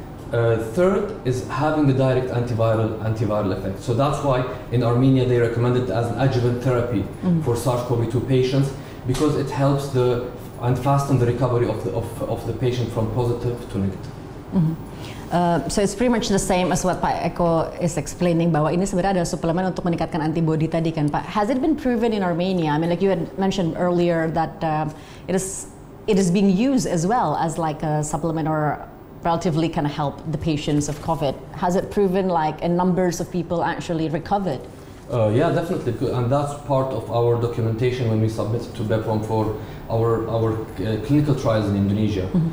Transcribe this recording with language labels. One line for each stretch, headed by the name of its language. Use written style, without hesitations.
English: Third is having a direct antiviral effect. So that's why in Armenia they recommend it as an adjuvant therapy for SARS-CoV-2 patients, because it helps the and fasten the recovery of the patient from positive to negative. So it's pretty much the same as what Pak Eko is explaining,
Indonesian: bahwa ini sebenarnya adalah suplemen untuk meningkatkan antibody tadi kan Pak.
English: Has it been proven in Armenia? I mean, like you had mentioned earlier that it is being used as well as like a supplement or relatively kind of help the patients of COVID. Has it proven like in numbers of people actually recovered? Yeah, definitely. And that's part of our documentation when we submitted to BepOM for our clinical trials in Indonesia.